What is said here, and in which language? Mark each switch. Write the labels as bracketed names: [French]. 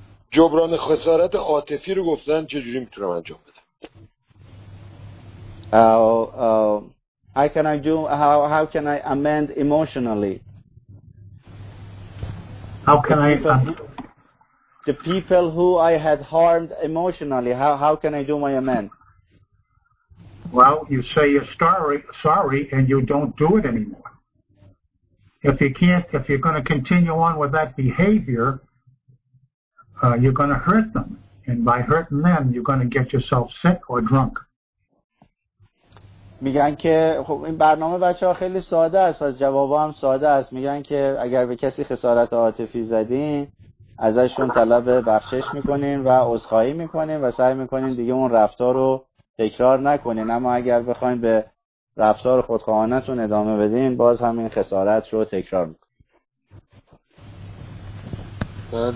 [Persian] جبران خسارت عاطفی رو گفتن چجوری میتونم انجام بدم؟ [English] The people who I had harmed emotionally, how can I do my amend? Well, you say you're sorry and you don't do it anymore. If you're going to continue on with that behavior, you're going to hurt them. And by hurting them, you're going to get yourself sick or drunk. [Persian] میگن که خب این برنامه بچه ها خیلی ساده است، از جواب هم ساده است. میگن که اگر به کسی خسارت عاطفی زدین، ازشون طلب بخشش میکنین و عذرخواهی میکنین و سعی میکنین دیگه اون رفتار رو تکرار نکنین، اما اگر بخواین به رفتار خودخواهانتون ادامه بدین، باز همین خسارت رو تکرار میکنین.